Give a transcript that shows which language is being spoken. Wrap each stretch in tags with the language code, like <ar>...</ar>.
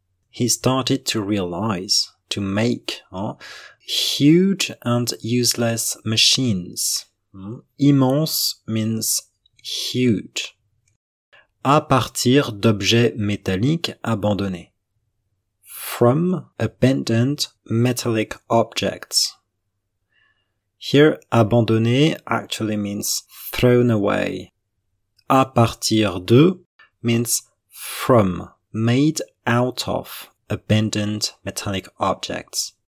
<en>He started to realize, to make, huge and useless machines. Immense means huge.</en> <fr>À partir d'objets métalliques abandonnés.</fr> <en>From abandoned metallic objects. Here, abandonné actually means thrown away.</en> <fr>À partir de</fr> <en>means from, made out of abandoned metallic objects.</en>